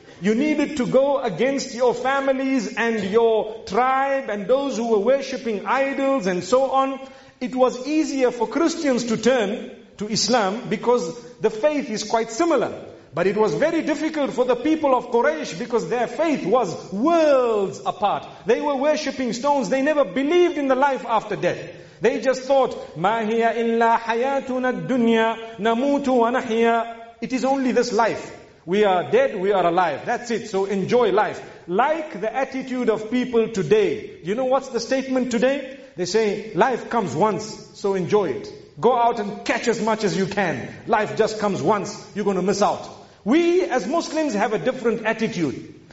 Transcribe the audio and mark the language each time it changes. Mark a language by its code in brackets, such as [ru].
[en] You needed to go against your families and your tribe and those who were worshipping idols and so on. It was easier for Christians to turn to Islam because the faith is quite similar. But it was very difficult for the people of Quraysh because their faith was worlds apart. They were worshipping stones. They never believed in the life after death. They just thought, [ar] مَا هِيَ إِلَّا حَيَاتُنَا الدُّنْيَا نَمُوتُ وَنَحْيَا. [en] It is only this life. We are dead, we are alive. That's it. So enjoy life. Like the attitude of people today. You know what's the statement today? They say, life comes once, so enjoy it. Go out and catch as much as you can. Life just comes once. You're going to miss out. We as Muslims have a different attitude.